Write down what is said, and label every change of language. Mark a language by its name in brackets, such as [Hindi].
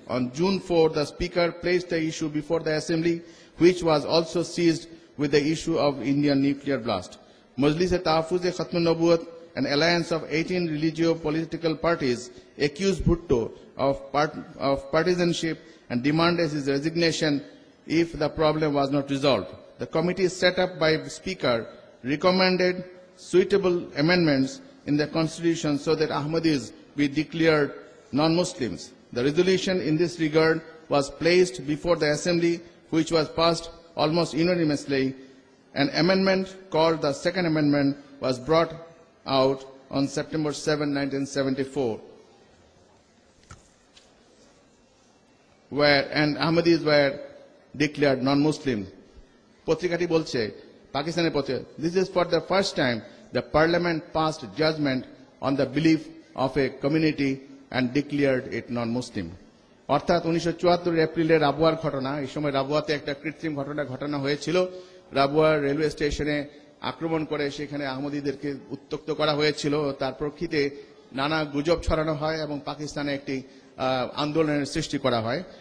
[English] On June 4 the speaker places the issue before the assembly, which was also seized with the issue of Indian nuclear blast. মজলিসে তাহফুজে খতম নবুয়ত an alliance of 18 religio political parties accuse Bhutto of partisanship and demand his resignation if the problem was not resolved. The committee set up by Speaker recommended suitable amendments in the constitution so that Ahmadis be declared non-Muslims. The resolution in this regard was placed before the assembly, which was passed almost unanimously. An amendment called the Second Amendment was brought out on September 7, 1974, and Ahmadis were declared non-Muslim. [Bangla] পত্রিকাটি বলছে, পাকিস্তানের পত্রিকা, [English] This is for the first time the parliament passed judgment on the belief of a community and declared it non Muslim. [Bangla] অর্থাৎ 1974 এপ্রিলের রাবুয়ার ঘটনা, এই সময় রাবুয়াতে একটা কৃত্রিম ঘটনা ঘটানো হয়েছিল, রাবুয়ার রেলওয়ে স্টেশনে আক্রমণ করে সেখানে আহমদীদেরকে উত্তক্ত করা হয়েছিল, তার প্রেক্ষিতে নানা গুজব ছড়ানো হয় এবং পাকিস্তানে একটি আন্দোলনের সৃষ্টি করা হয়।